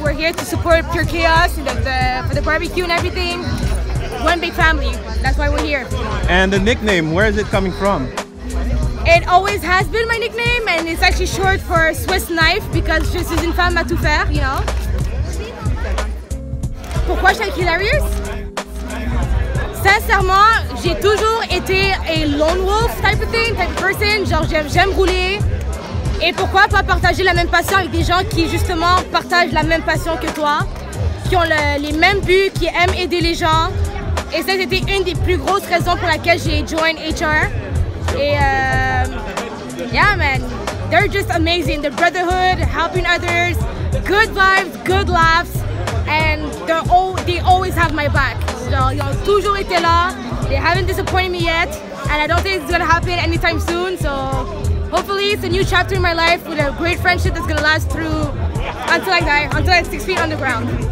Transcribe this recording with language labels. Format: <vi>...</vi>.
<en>We're here to support Pure Chaos and for the barbecue and everything. One big family. That's why we're here. And the nickname, where is it coming from? It always has been my nickname, and it's actually short for Swiss knife because</en> <fr>je suis une femme à tout faire,</fr> <en>you know.</en> <fr>Pourquoi je suis hilarious? Sincèrement, j'ai toujours été</fr> <en>a lone wolf type of person.</en> <fr>Genre, j'aime rouler. Et pourquoi pas partager la même passion avec des gens qui, justement, partagent la même passion que toi, qui ont les mêmes buts, qui aiment aider les gens. Et ça, c'était une des plus grosses raisons pour laquelle j'ai join HR.</fr> <en>Et, yeah, man, they're just amazing. The brotherhood, helping others, good vibes, good laughs, and they always have my back.</en> <fr>Ils ont toujours été là,</fr> <en>they haven't disappointed me yet, and I don't think it's gonna happen anytime soon, so hopefully it's a new chapter in my life with a great friendship that's gonna last through until I die, until I'm 6 feet underground.</en>